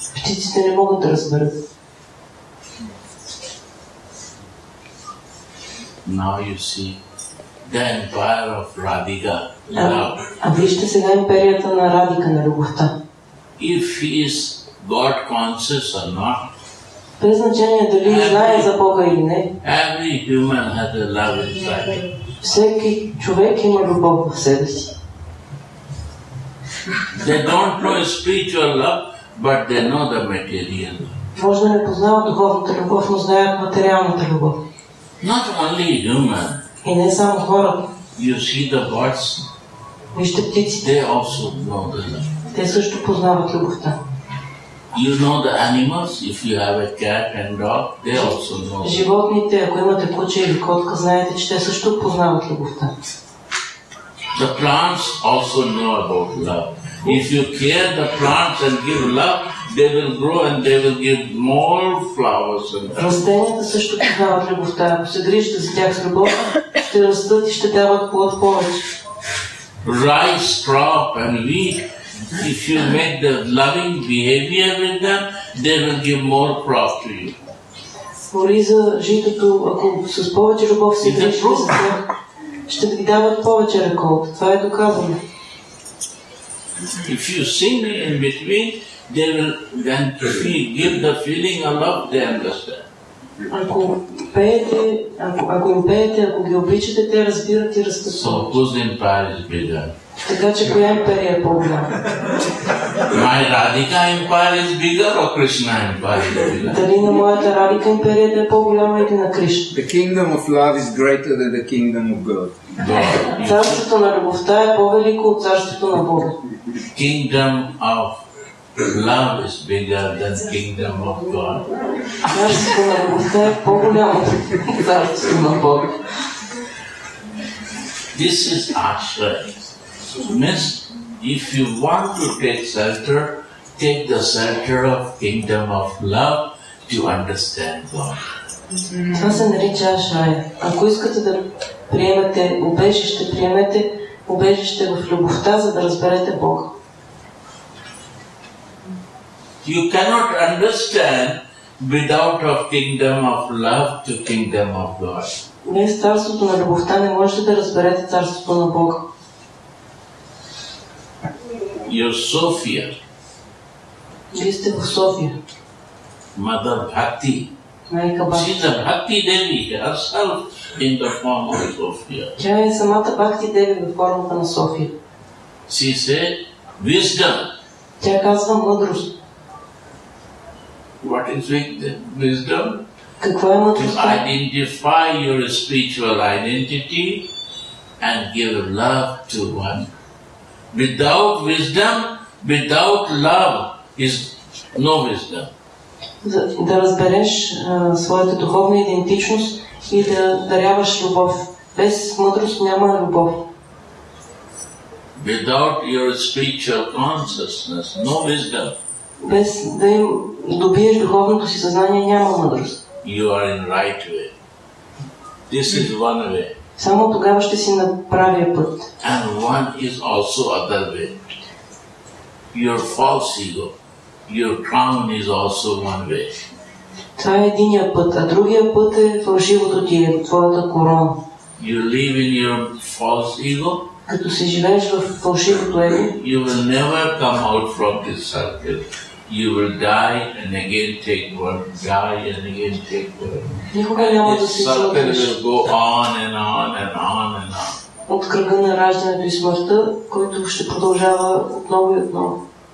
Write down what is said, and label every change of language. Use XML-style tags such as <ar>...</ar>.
<bg>Птиците не могат да разберат.</bg> <en>Now you see the empire of Radhika.</en> <bg>А вижте сега империята на Радика, на любовта.</bg> <en>If he is God conscious or not.</en> <bg>Без значение дали знае за Бога или не.</bg> <en>Every human has a love inside.</en> <bg>Всеки човек има любов в себе си.</bg> <en>They don't know spiritual love. But they know the material.</en> <bg>Може да не познават духовната любов, но знаят материалната любов.</bg> <en>Not only human.</en> <bg>И не само хора.</bg> <en>You see the birds.</en> <bg>Вижте птиците.</bg> <en>They also know the love.</en> <bg>Те също познават любовта.</bg> <en>You know the animals. If you have a cat and dog, they also know.</en> <bg>Животните, ако имате куче или котка, знаете, че те също познават любовта.</bg> <en>The plants also know about love. If you care the plants and give love, they will grow and they will give more flowers and that.</en> <bg>Растенията също познават любовта. Ако се грижите за тях с любов, ще растат и ще дават плод повече.</bg> <en>Rice crop and wheat, if you make the loving behavior with them, they will give more crop to you.</en> <bg>Ориза, житото, ако с повече любов се грижите за тях, ще ви дават повече реколта. Това е доказано.</bg> <en>If you sing in between, they will then give the feeling of love, they understand.</en> <bg>Ако им пеете, ако ги обичате, те разбират и растат.</bg> <en>So whose empire is bigger?</en> <bg>Така че коя империя е по-голяма?</bg> <en>My Radhika empire is bigger or Krishna empire is bigger?</en> <bg>Дали на моята Radhika империя е по-голяма или на Кришна?</bg> <en>The kingdom of love is greater than the kingdom of God.</en> <bg>Царството на любовта е по-велико от царството на Бога.</bg> <en>Kingdom of love is bigger than the kingdom of God.</en> <bg>Царството на любовта е по-голямо от царството на Бога.</bg> <en>This is ashram. Miss, if you want to take shelter, take the shelter of kingdom of love to understand God.</en> <bg>Това се нарича ашрая. Ако искате да приемете убежище, приемете убежище в любовта, за да разберете Бога.</bg> <en>You cannot understand without of kingdom of love to kingdom of God.</en> <bg>Без царството на любовта не можете да разберете царството на Бога.</bg> <en>Your Sophia.</en> <bg>Вие сте в София.</bg> <en>Mother Bhakti.</en> <bg>Майка Бхакти.</bg> <en>She is a Bhakti Devi herself in the form of Sophia.</en> <bg>Тя е самата Бхакти Деви в формата на София.</bg> <en>She said, wisdom.</en> <bg>Тя казва мъдрост.</bg> <en>What is wisdom?</en> <bg>Каква е мъдростта?</bg> <en>To identify your spiritual identity and give love to one. Without wisdom, without love is no wisdom.</en> <bg>Да разбереш своята духовна идентичност и да даряваш любов. Без мъдрост няма любов.</bg> <en>Without your spiritual consciousness, no wisdom.</en> <bg>Без да добиеш духовното си съзнание няма мъдрост.</bg> <en>You are in right way. This is one way.</en> <bg>Само тогава ще си на правия път.</bg> <en>And one is also other way. Your false ego, your crown is also one way.</en> <bg>Това е единия път, а другия път е фалшивото ти, твоята корона.</bg> <en>You live in your false ego.</en> <bg>Като си живееш в фалшивото его.</bg> <en>You will never come out from this circle. You will die and again take birth, die and again take birth. And this circle will go on and on and on and on.</en> <bg>От кръга на раждането и смъртта, който ще продължава отново и отново.</bg>